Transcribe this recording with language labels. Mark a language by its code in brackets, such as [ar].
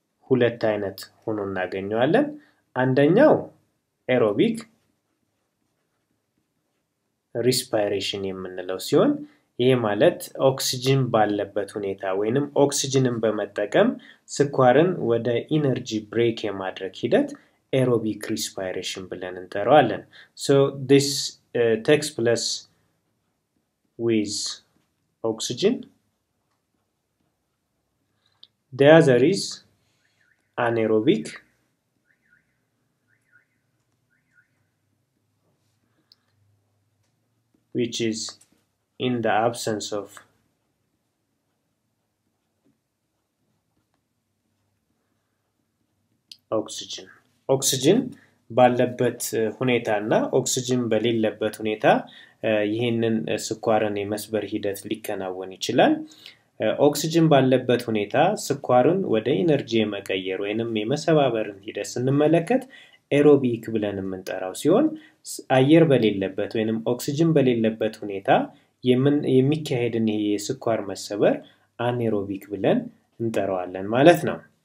[am] ሁለት አይነት ሆኖ እናገኘዋለን። አንደኛው aerobic respiration የምንለው ሲሆን ይሄ ማለት ኦክሲጅን ባለበት ሁኔታ ወይንም ኦክሲጅንን በመጠቀም ስኳርን ወደ ኢነርጂ ብሬክ የማድረግ ሂደት aerobic respiration ብለን እንጠራዋለን። [en] So this takes place with oxygen. The other is anaerobic which is in the absence of oxygen. [am] Oxygen ባለበት ሁኔታና ኦክሲጅን በሌለበት ሁኔታ ይሄንን ስኳርን የመስበር ሂደት ሊከናወን ይችላል። ኦክሲጅን ባለበት ሁኔታ ስኳርን ወደ ኢነርጂ የመቀየር ወይንም የመሰባበርን ሂደት ስንመለከት aerobic ብለን የምንጠራው ሲሆን አየር በሌለበት ወይንም ኦክሲጅን በሌለበት ሁኔታ የሚካሄድን ይሄ የስኳር መሰበር anaerobic ብለን እንጠራዋለን ማለት ነው።